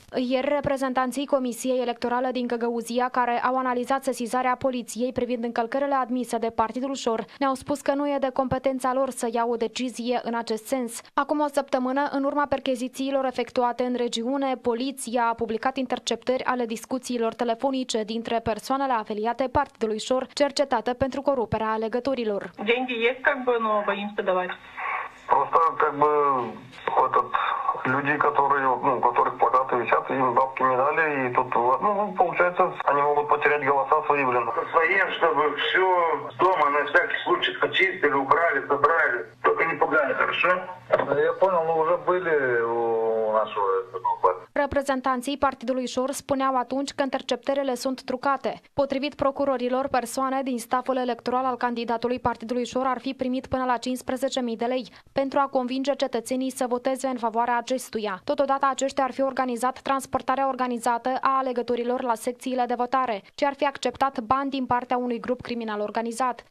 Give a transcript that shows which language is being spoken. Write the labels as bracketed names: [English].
[Romanian] Ieri, reprezentanții Comisiei Electorale din Găgăuzia, care au analizat sesizarea poliției privind încălcările admise de Partidul Șor, ne-au spus că nu e de competența lor să iau o decizie în acest sens. Acum o săptămână, în urma perchezițiilor efectuate în regiune, poliția a publicat interceptări ale discuțiilor telefonice dintre persoanele afiliate Partidului Șor, cercetate pentru coruperea alegătorilor. [Russian] Деньги есть, как бы, но боимся подавать. Просто, как бы, этот, люди, которые, ну, которых плакаты висят, им бабки не дали, и тут, ну, получается, они могут потерять голоса свои, блин. Своим, чтобы все дома на всякий случай почистили, убрали, забрали. Только не пугали, хорошо? Я понял, но уже были у нашего партии. [Romanian] Reprezentanții Partidului Șor spuneau atunci că interceptările sunt trucate. Potrivit procurorilor, persoane din staful electoral al candidatului Partidului Șor ar fi primit până la 15.000 de lei pentru a convinge cetățenii să voteze în favoarea acestuia. Totodată, aceștia ar fi organizat transportarea organizată a alegătorilor la secțiile de votare, ce ar fi acceptat bani din partea unui grup criminal organizat.